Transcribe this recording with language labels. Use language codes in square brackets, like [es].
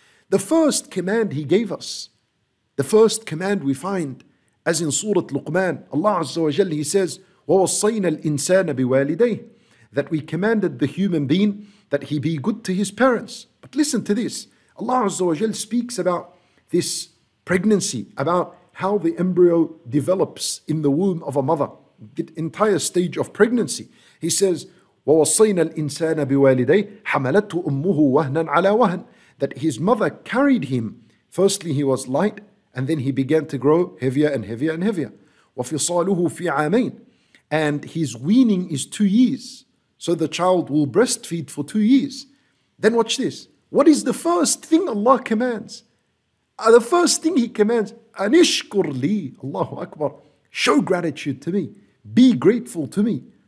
[en] The first command He gave us, the first command we find, as in Surah Luqman, Allah Azza wa Jal, He says, [ar] وَوَصَّيْنَا الْإِنسَانَ بِوَالِدَيْهِ, [en] that we commanded the human being that he be good to his parents. But listen to this. Allah Azza wa Jal speaks about this pregnancy, about how the embryo develops in the womb of a mother, the entire stage of pregnancy. He says, [ar] وَوَصَّيْنَا الْإِنسَانَ بِوَالِدَيْهِ حَمَلَتْهُ أُمُّهُ وَهْنًا عَلَى وَهْنٍ, [en] that his mother carried him. Firstly, he was light, and then he began to grow heavier and heavier and heavier. [ar] وَفِصَالُهُ فِي عَامَيْنِ, [en] and his weaning is 2 years. So the child will breastfeed for 2 years. Then watch this. What is the first thing Allah commands? The first thing He commands, [ar] أَنِشْكُرْ لِي, [en] Allahu Akbar, show gratitude to me, be grateful to me.